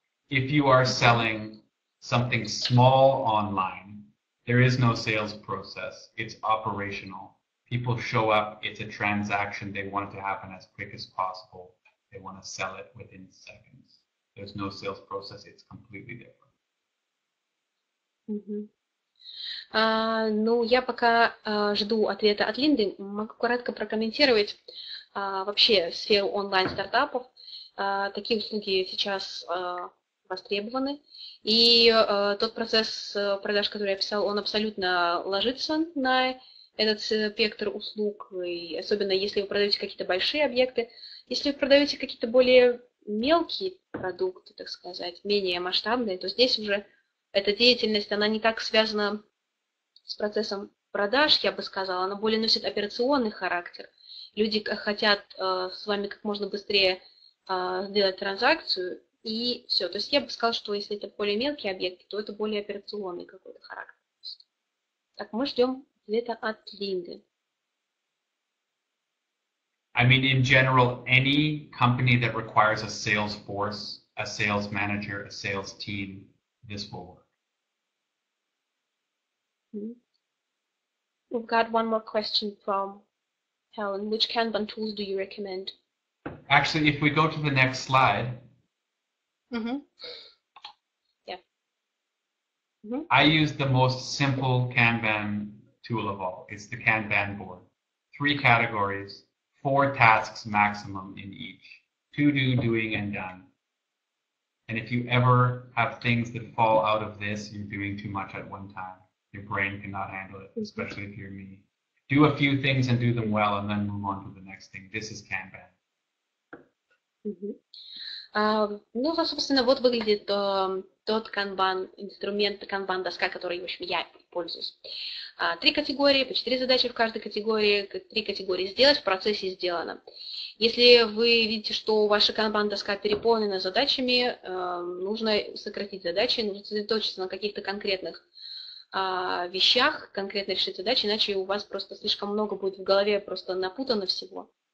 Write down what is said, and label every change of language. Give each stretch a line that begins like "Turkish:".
English: If you are selling something small online, there is no sales process. It's operational. People show up, it's a transaction. They want it to happen as quick as possible. They want to sell it within seconds. There's no sales process. It's completely different.
Russian: Ну, я пока жду ответа от Линды. Могу коротко прокомментировать вообще сферу онлайн-стартапов. Такие услуги сейчас востребованы. И тот процесс продаж, который я писал, он абсолютно ложится на этот спектр услуг, и особенно если вы продаете какие-то большие объекты. Если вы продаете какие-то более мелкие продукты, так сказать, менее масштабные, то здесь уже эта деятельность, она не так связана с процессом продаж, я бы сказала, она более носит операционный характер. Люди хотят с вами как можно быстрее сделать транзакцию, и все. То есть я бы сказала, что если это более мелкие объекты, то это более операционный какой-то характер. Так, мы ждем ответа от Линды.
English: I mean, in general, any company that requires a sales force, a sales manager, a sales team, this will work. We've got one more question from Helen. Which Kanban tools do you recommend? Actually, if we go to the next slide. I use the most simple Kanban tool of all. It's the Kanban board. Three categories, four tasks maximum in each. To do, doing, and done. And if you ever have things that fall out of this, you're doing too much at one time. Your brain cannot handle it, especially if you're me. Do a few things and do them well, and then move on to the next thing. This is Kanban.
Russian: Ну, собственно, вот выглядит тот Kanban, инструмент Kanban, доска, которой, в общем, я пользуюсь. Три категории, по четыре задачи в каждой категории, три категории сделать, в процессе сделано. Если вы видите, что ваша Kanban доска переполнена задачами, нужно сократить задачи, нужно сосредоточиться на каких-то конкретных вещах, конкретно решить задачи, иначе у вас просто слишком много будет в голове просто напутано всего.